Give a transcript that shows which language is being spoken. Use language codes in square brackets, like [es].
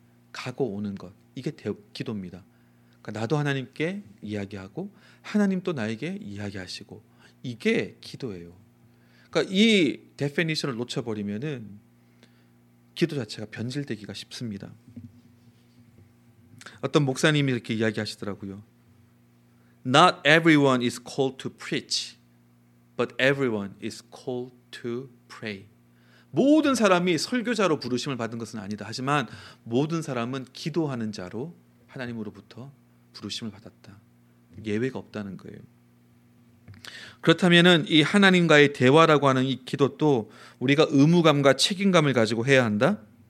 [ko] 가고 오는 것, 이게 기도입니다. 그러니까 나도 하나님께 이야기하고 하나님도 나에게 이야기하시고, 이게 기도예요. 그러니까 이 데피니션을 놓쳐버리면은 기도 자체가 변질되기가 쉽습니다. 어떤 목사님이 이렇게 이야기하시더라고요. [en] Not everyone is called to preach, but everyone is called to pray. [ko] 모든 사람이 설교자로 부르심을 받은 것은 아니다. 하지만 모든 사람은 기도하는 자로 하나님으로부터 부르심을 받았다. 예외가 없다는 거예요. 그렇다면은 이 하나님과의 대화라고 하는 이 기도도 우리가 의무감과 책임감을 가지고 해야 한다?